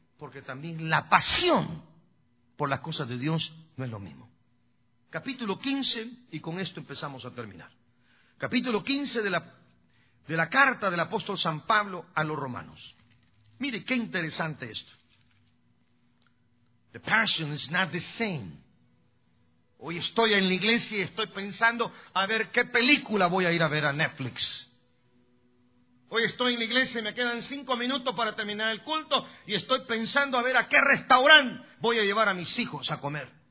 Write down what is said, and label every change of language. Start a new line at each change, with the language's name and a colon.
Spanish: Porque también la pasión por las cosas de Dios no es lo mismo. Capítulo 15, y con esto empezamos a terminar. Capítulo 15 de la carta del apóstol San Pablo a los romanos. Mire qué interesante esto.
English: The passion is not the same.
Spanish: Hoy estoy en la iglesia y estoy pensando a ver qué película voy a ir a ver a Netflix. Hoy estoy en la iglesia y me quedan 5 minutos para terminar el culto y estoy pensando a ver a qué restaurante voy a llevar a mis hijos a comer.